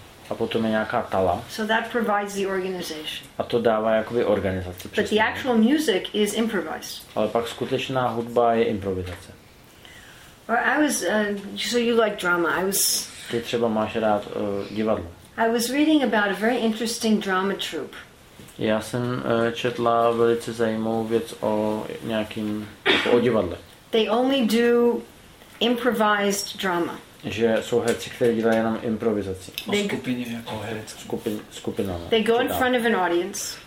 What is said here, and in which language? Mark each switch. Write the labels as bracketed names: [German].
[Czech] A potom je nějaká tala. [English] So that provides the organization. [Czech] A to dává jakoby organizaci. [English] But the actual music is improvised. [Czech] Ale pak skutečná hudba je improvizace. [English] So you like drama. I was. [Czech] Ty třeba máš rád divadlo. [English] I was reading about a very interesting drama troupe. [Czech] Já jsem četla velice zajímavou věc o nějakým o divadle. [English] They only do improvised drama. [Czech] Že jsou herci, kteří dělají jenom improvizaci. Skupinama. [English] They go in front of an audience.